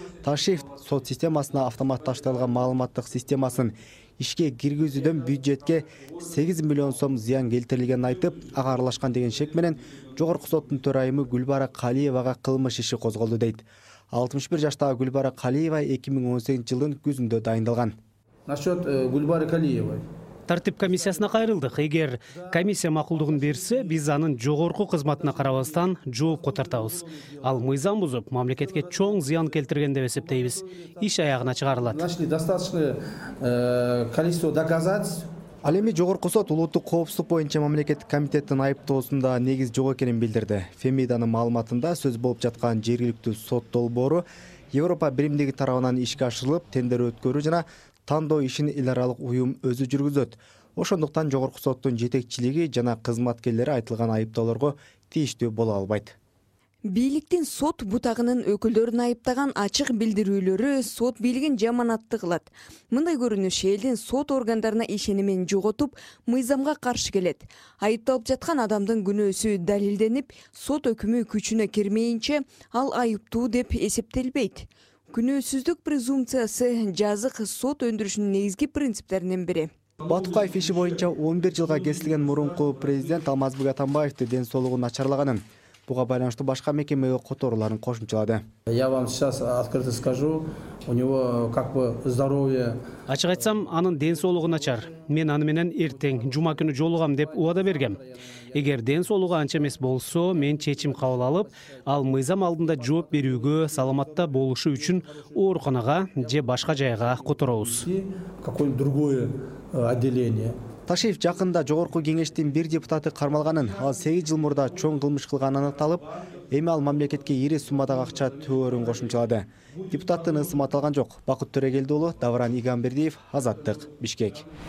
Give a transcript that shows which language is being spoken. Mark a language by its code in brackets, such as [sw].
[ky] Ташиев сот системасына автоматташтырылган маалыматтык системасын ишке киргизүүдөн бюджетке 8 миллион сом зыян келтирилгенин айтып, ага аралашкан деген шек менен жогорку соттун төрайымы Гүлбара Калиевага кылмыш иши козголду дейт. 61 жаштагы Гүлбара Калиева 2018 жылдын күзүндө дайындалган. [ru] Насчет Гүлбары Калиевой. [ky] Тартип комиссиясына кайрылдык. Эгер комиссия макулдугун берсе, биз анын жогорку кызматына карабастан жоопко тартабыз. Ал мыйзам бузуп, мамлекетке чоң зыян келтирген деп эсептейбиз. Иш аягына чыгарылат. [ru] Нашли достаточное количество доказательств. [ky] Ал эми жогорку сот улуттук коопсуздук боюнча мамлекеттик комитеттин айыптоосунда негиз жок экенин билдирди. Фемиданын маалыматында сөз болуп жаткан жергиликтүү сот долбоору Европа биримдиги тарабынан ишке ашырылып, тендер өткөрүү жана тандоо ишин эл аралык уюм өзү жүргүзөт. Ошондуктан жогорку соттун жетекчилиги жана кызматкерлери айтылган айыптоолорго тийиштүү боло албайт. Бийликтин сот бутагынын өкүлдөрүн айыптаган ачык билдирүүлөрү сот бийлигин жаманатты кылат. Мындай көрүнүш элдин сот органдарына ишенимин жоготуп, мыйзамга каршы келет. Айыпталып жаткан адамдын күнөөсү далилденип, сот өкүмү күчүнө кирмейинче ал айыптуу деп эсептелбейт. Күнөөсүздүк презумпциясы жазык сот өндүрүшүнүн негизги принциптеринин бири. Батукаев иши боюнча 11 жылга кесилген мурунку президент Алмазбек Атамбаевди ден соолугу начарлаганын, Буга байланыштуу башка мекемеге которууларын кошумчалады. [ru] Я вам сейчас открыто скажу, у него как бы здоровье. [ky] Ачык айтсам, анын ден соолугу начар. Мен аны менен эртең жума күнү жолугам деп убада бергем. Эгер ден соолугу анча эмес болсо, мен чечим кабыл алып, ал мыйзам алдында жооп берүүгө, саламатта болушу үчүн ооруканага же башка жайга которобуз. [ru] Какое-нибудь другое отделение. [ky] Ташиев жакында Жогорку Кеңештин бир депутаты кармалганын, ал 8 жыл мурда чоң кылмыш кылганын аныкталып, эми ал мамлекетке ири суммадагы акча төөрүн кошумчалады. Депутаттын ысымы аталган жок. Бакыт Төрөгелди уулу, Давран Игамбердиев, Азаттык, Бишкек.